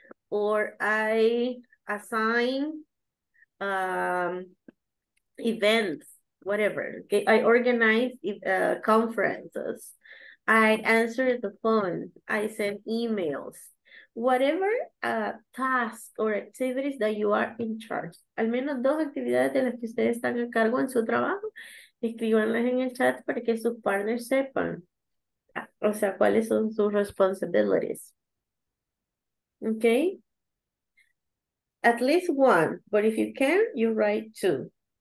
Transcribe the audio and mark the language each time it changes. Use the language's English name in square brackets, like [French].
[English] Or I assign events, whatever. Okay? I organize conferences. I answer the phone, I send emails, whatever task or activities that you are in charge. [Spanish] Al menos dos actividades de las que ustedes están a cargo en su trabajo, escríbanlas en el chat para que sus partners sepan, o sea, cuáles son sus responsibilities. [English] Okay? At least one, but if you can, you write two.